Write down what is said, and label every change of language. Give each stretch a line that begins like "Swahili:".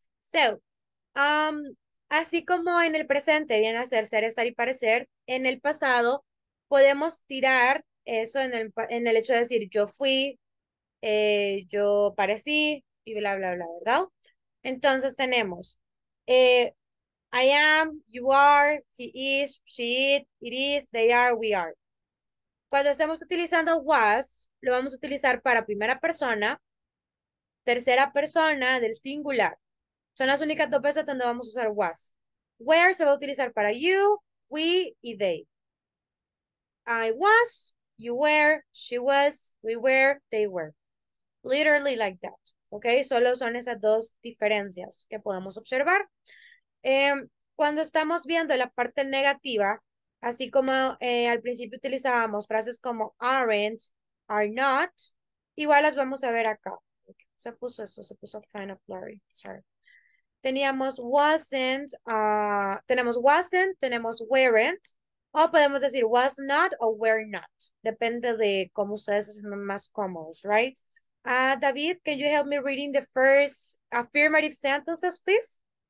Spanish: So, así como en el presente viene a ser ser, estar y parecer, en el pasado, podemos tirar eso en el hecho de decir yo fui, yo parecí, y bla, bla, bla, ¿verdad? Entonces tenemos,
English: I am, you are, he is, she it, it is, they are, we are.
Spanish: Cuando estemos utilizando was, lo vamos a utilizar para primera persona, tercera persona del singular. Son las únicas dos veces donde vamos a usar was. Where se va a utilizar para you, we y they.
English: I was, you were, she was, we were, they were. Literally like that. Okay,
Spanish: solo son esas dos diferencias que podemos observar. Cuando estamos viendo la parte negativa, así como al principio utilizábamos frases como aren't, are not, igual las vamos a ver acá. Se puso eso, se puso
English: kind of blurry, sorry.
Spanish: Teníamos wasn't, tenemos wasn't, tenemos weren't, o podemos decir was not o were not. Depende de cómo ustedes se sientan más cómodos, right?
English: David, can you help me reading the first affirmative sentences, please?